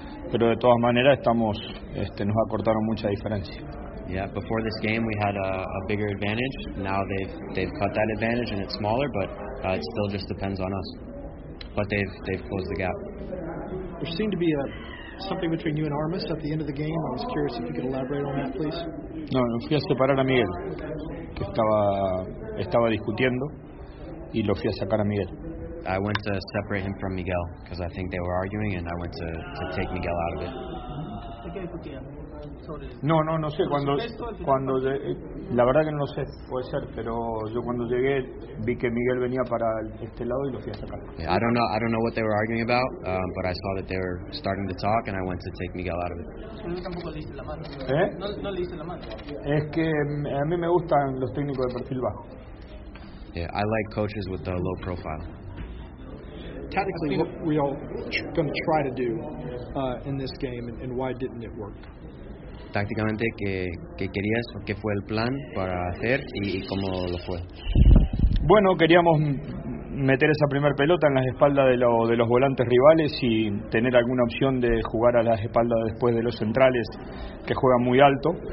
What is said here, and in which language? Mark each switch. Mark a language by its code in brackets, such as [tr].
[es] Pero de todas maneras estamos, nos acortaron mucha diferencia. [en] Yeah, before this game we had a bigger advantage. Now they've cut that advantage and it's smaller, but it still just depends on us. But they've closed the gap. There seemed to be something between you and Armas at the end of the game. I was curious if you could elaborate on that, please. [es] No, me fui a separar a Miguel, que estaba discutiendo, y lo fui a sacar a Miguel. [en] I went to separate him from Miguel because I think they were arguing, and I went to take Miguel out of it. [es] No sé. Cuando llegué, la verdad que no sé, puede ser, pero yo cuando llegué vi que Miguel venía para este lado y lo fui a sacar. [en] Yeah, I don't know what they were arguing about, but I saw that they were starting to talk, and I went to take Miguel out of it. [es] No le hice la mano. Es que a mí me gustan los técnicos de perfil bajo. [en] Yeah, I like coaches with a low profile. Tactically, what were y'all going to try to do in this game, and why didn't it work? [es] Tácticamente, ¿qué querías o qué fue el plan para hacer y cómo lo fue? Bueno, queríamos meter esa primer pelota en las espaldas de los volantes rivales y tener alguna opción de jugar a las espaldas después de los centrales, que juegan muy alto.